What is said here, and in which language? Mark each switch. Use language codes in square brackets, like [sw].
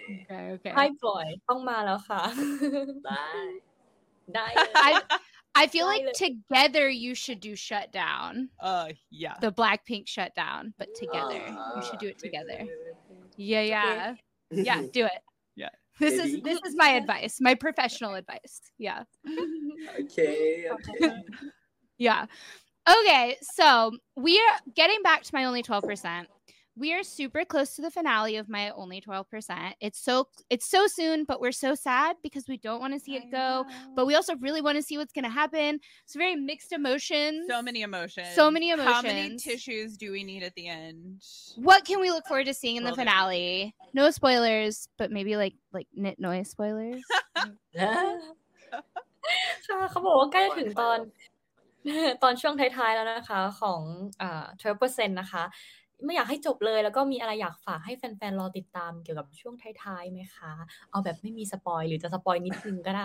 [th] High Boy, ต้องมาแล้วค่ะ ได้ [en] I feel like together you should do Shut Down. Yeah. The Blackpink Shut Down, but together. You should do it together. Yeah. Do it. Yeah. This is my advice, my professional advice. Yeah. Okay. Yeah. Okay, so we are getting back to My Only 12%. We are super close to the finale of My Only 12%. It's so soon, but we're so sad because we don't want to see it go. But we also really want to see what's going to happen. It's very mixed emotions. So many emotions. How many tissues do we need at the end? What can we look forward to seeing in the finale? No spoilers, but maybe like knit noise spoilers. Yeah. [th] เขาบอกว่าใกล้ถึงตอนช่วงท้ายๆแล้วนะคะของ 12% นะคะไม่อยากให้จบเลยแล้วก็มีอะไรอยากฝากให้แฟนๆรอติดตามเกี่ยวกับช่วงท้ายๆไหมคะเอาแบบไม่มีสปอยหรือจะสปอยนิดนึงก็ได